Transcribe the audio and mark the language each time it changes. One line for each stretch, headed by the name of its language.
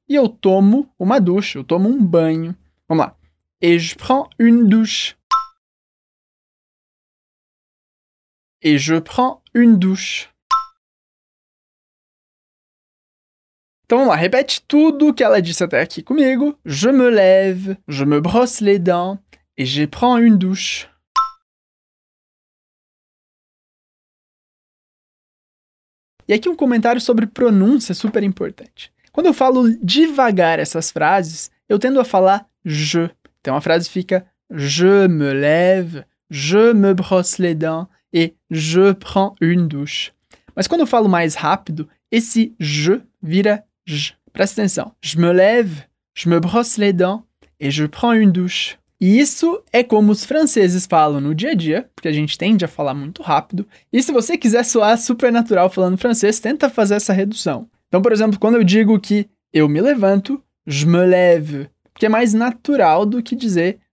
Portuguese: E eu tomo uma douche, eu tomo um banho. Vamos lá.
French: Et je prends une douche. Et je prends une douche.
Portuguese: Então vamos lá, repete tudo o que ela disse até aqui comigo.
French: Je me lève, je me brosse les dents, et je prends une douche.
Portuguese: E aqui um comentário sobre pronúncia super importante. Quando eu falo devagar essas frases, eu tendo a falar je. Então a frase fica
French: je me lève, je me brosse les dents et je prends une douche.
Portuguese: Mas quando eu falo mais rápido, esse je vira je. Presta atenção.
French: Je me lève, je me brosse les dents et je prends une douche.
Portuguese: E isso é como os franceses falam no dia a dia, porque a gente tende a falar muito rápido. E se você quiser soar super natural falando francês, tenta fazer essa redução. Então, por exemplo, quando eu digo que eu me levanto,
French: je me lève,
Portuguese: que é mais natural do que dizer